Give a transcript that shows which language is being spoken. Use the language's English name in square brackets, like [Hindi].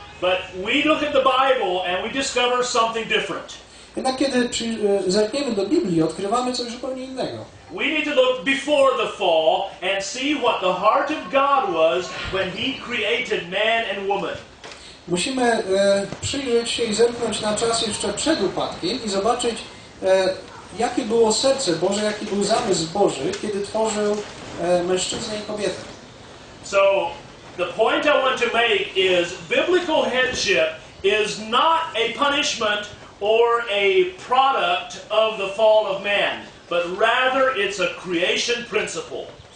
[English] But we look at the Bible and we discover something different. [Polish] Jednak kiedy zerkniemy do Biblii, odkrywamy coś zupełnie innego. [English] We need to look before the fall and see what the heart of God was when He created man and woman. [Polish] Musimy przyjrzeć się i zerknąć na czas jeszcze przed upadkiem i zobaczyć, jakie było serce Boże, jaki był zamysł Boży, kiedy tworzył mężczyznę i kobietę. [English] So, the point I want to make is biblical headship is not a punishment or a product of the fall of man, but rather it's a creation principle.